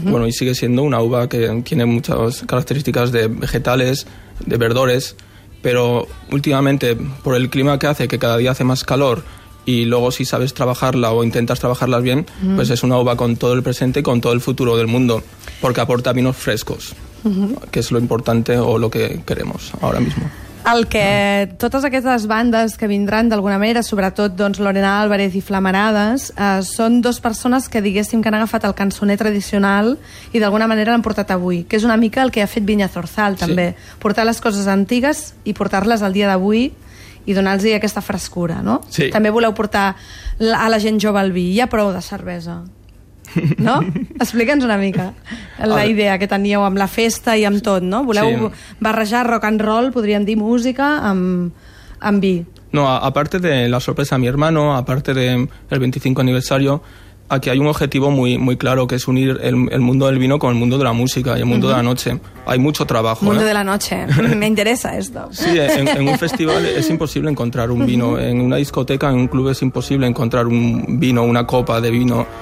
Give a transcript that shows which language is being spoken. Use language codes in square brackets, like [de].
[es] Bueno, y sigue siendo una uva que tiene muchas características de vegetales, de verdores, pero últimamente, por el clima que hace, que cada día hace más calor, y luego si sabes trabajarla o intentas trabajarla bien, uh-huh, pues es una uva con todo el presente y con todo el futuro del mundo, porque aporta vinos frescos, uh-huh, que es lo importante o lo que queremos ahora mismo. [ca] El que totes aquestes bandes que vindran d'alguna manera, sobretot doncs Lorena Álvarez i Flamarades, són dos persones que diguéssim que han agafat el cançoner tradicional i d'alguna manera l'han portat avui, que és una mica el que ha fet Vinya Zorzal també, sí, portar les coses antigues i portar-les al dia d'avui i donar-los aquesta frescura, no? Sí. També voleu portar a la gent jove el vi, hi ha prou de cervesa. No? Explica'ns una mica la idea que teníeu amb la festa i amb tot, no? Voleu, sí, barrejar rock and roll, podríem dir música, amb vi. [es] No, aparte de la sorpresa a mi hermano, aparte de el 25 aniversario, aquí hay un objetivo muy, muy claro, que es unir el mundo del vino con el mundo de la música y el mundo, uh-huh, de la noche. Hay mucho trabajo. Mundo de la noche, me interesa esto. Sí, en un festival es imposible encontrar un vino. Uh-huh. En una discoteca, en un club, es imposible encontrar un vino, una copa de vino.